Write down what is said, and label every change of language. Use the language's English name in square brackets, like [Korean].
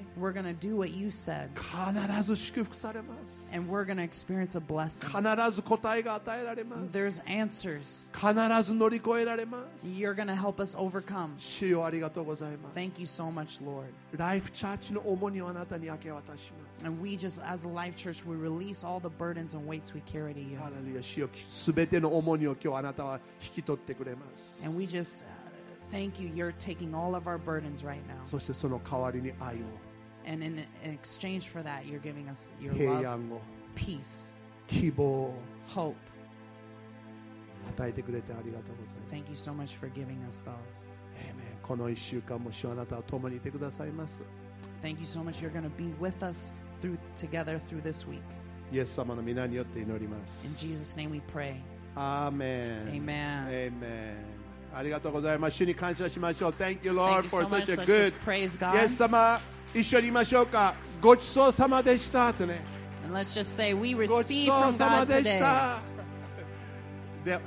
[English] We're gonna do what you said. [Japanese] 必ず祝福されます。 [English] And we're gonna experience a blessing. [Japanese] 必ず答えが与えられます。 [English] There's answers. [Japanese] 必ず乗り越えられます。 [English] You're gonna help us overcome. [Japanese] 主よ、ありがとうございます。 [English] Thank you so much, Lord. [Japanese] Life Church の重荷をあなたに明け渡します。 [English] And we just, as a Life Church, we release all the burdens and weights we carry to you. Hallelujah. [Japanese] 主よ、すべての重荷を今日あなたは引き取ってくれます。 [English] And we just. Thank you. You're taking all of our burdens right now. [Japanese] そしてその代わりに愛を。 [English] And in exchange for that, you're giving us your love, [Japanese] 平安を、 [English] peace, [Japanese] 希望、 [English] hope. [Japanese] 与えてくれてありがとうございます。 [English] Thank you so much for giving us those. Amen. [Japanese] この一週間も主はあなたと共にいてくださいます。 [English] Thank you so much. You're going to be with us through, together through this week. [Japanese] イエス様の御名によって祈ります。 [English] In Jesus' name we pray. Amen. Amen. Amen. [Japanese] ありがとうございます。主に感謝しましょう。 [English] Thank you, Lord, Thank you、so、 for such much. a good. Let's just praise God. [Japanese] イエス様、一緒に言いましょうか。ごちそうさまでしたとね。 [English] And let's just say we receive from God today.